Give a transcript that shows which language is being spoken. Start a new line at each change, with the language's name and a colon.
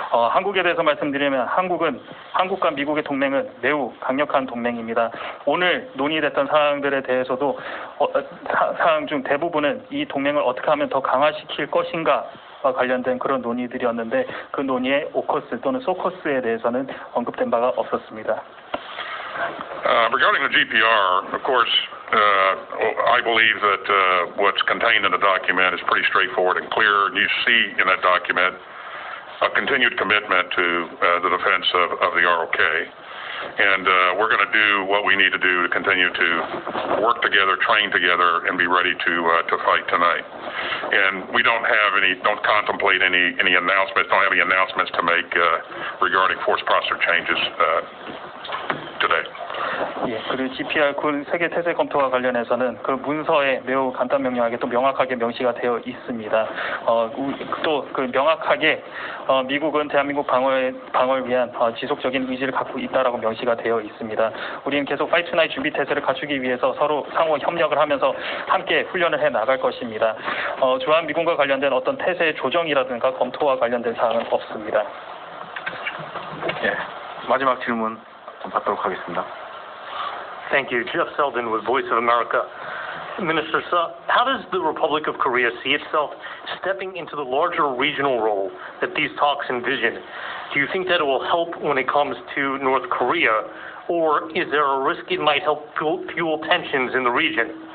Korean: 한국에 대해서 말씀드리면 한국과 미국의 동맹은 매우 강력한 동맹입니다. 오늘 논의됐던 사항들에 대해서도 사항 중 대부분은 이 동맹을 어떻게 하면 더 강화시킬 것인가 관련된 그런 논의들이었는데 그 논의에 오커스 또는 소커스에 대해서는 언급된 바가 없었습니다.
English: Regarding the GPR, of course, I believe that what's contained in the document is pretty straightforward and clear. And you see in that document a continued commitment to the defense of the ROK. And we're going to do what we need to do to continue to work together, train together, and be ready to fight tonight. And we don't have any announcements to make regarding force posture changes today.
Korean: 예, 그리고 GPR 군 세계 태세 검토와 관련해서는 그 문서에 매우 간단 명료하게 또 명확하게 명시가 되어 있습니다. 또 그 명확하게 미국은 대한민국 방어를 위한 지속적인 의지를 갖고 있다라고 명시가 되어 있습니다. 우리는 계속 파이트 나잇 준비 태세를 갖추기 위해서 서로 상호 협력을 하면서 함께 훈련을 해 나갈 것입니다. 주한 미군과 관련된 어떤 태세 조정이라든가 검토와 관련된 사항은 없습니다. 예, 마지막 질문 좀 받도록 하겠습니다.
English: Thank you. Jeff Selden with Voice of America. Minister Sa, how does the Republic of Korea see itself stepping into the larger regional role that these talks envision? Do you think that it will help when it comes to North Korea, or is there a risk it might help fuel tensions in the region?